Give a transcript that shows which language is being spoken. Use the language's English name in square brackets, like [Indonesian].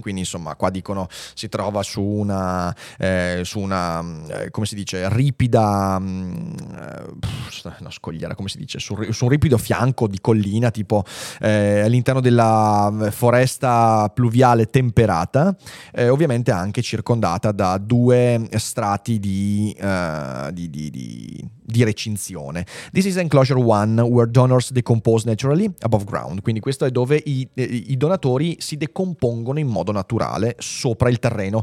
[Italian] Quindi insomma, qua dicono si trova su una su un ripido fianco di collina, tipo all'interno della foresta pluviale temperata, ovviamente anche circondata da due strati di recinzione. [English] This is enclosure one, where donors decompose naturally above ground. [Italian] Quindi questo è dove i donatori si decompongono in modo naturale sopra il terreno.